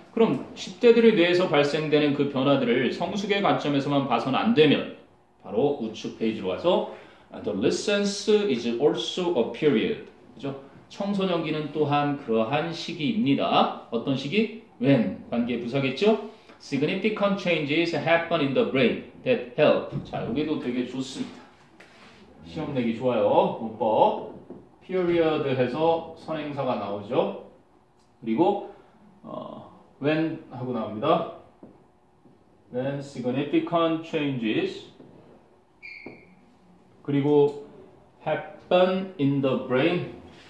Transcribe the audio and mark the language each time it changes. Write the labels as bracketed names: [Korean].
[Korean] 그럼 10대들의 뇌에서 발생되는 그 변화들을 성숙의 관점에서만 봐선 안 되면 바로 우측 페이지로 와서 [English] Adolescence is also a period. [Korean] 그죠? 청소년기는 또한 그러한 시기입니다. 어떤 시기? When 관계 부사겠죠? [English] significant changes happen in the brain that help. [Korean] 자, 여기도 되게 좋습니다. 시험 내기 좋아요. 문법. period 해서 선행사가 나오죠. 그리고 when 하고 나옵니다. [English] when significant changes [Korean] 그리고 [English] happen in the brain.